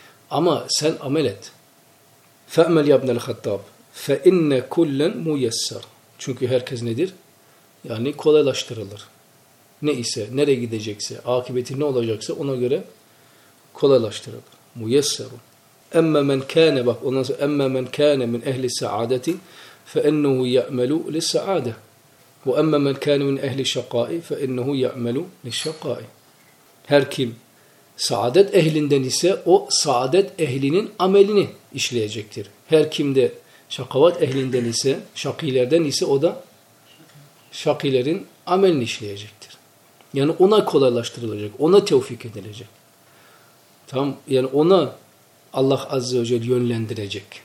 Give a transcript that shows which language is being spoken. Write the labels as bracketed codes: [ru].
[tr] Ama sen amel et. [ar] فَأْمَلْ يَا اَبْنَ الْخَطَّابِ. فَاِنَّ كُلَّنْ مُيَسَّرْ. [tr] Çünkü herkes nedir? Yani kolaylaştırılır. Ne ise, nereye gidecekse, akıbeti ne olacaksa ona göre kolaylaştırılır. [ar] مُيَسَّرُ. اَمَّا مَنْ كَانَ. [tr] Bak ondan sonra, [ar] اَمَّا مَنْ كَانَ مِنْ اَهْلِ السَّعَادَةِ فَاَنَّهُ يَعْمَلُ لِلسَّعَادَةِ وَاَمَّا مَنْ كَانَ مِنْ اَهْلِ الشَّقَائِ فَاَنَّهُ يَعْمَلُ لِلشَّقَائِ. [tr] Her kim saadet ehlinden ise o saadet ehlinin amelini işleyecektir. Her kim de şakavat ehlinden ise, şakilerden ise o da şakilerin amelini işleyecektir. Yani ona kolaylaştırılacak, ona tevfik edilecek. Tamam, yani ona Allah Azze ve Celle yönlendirecek.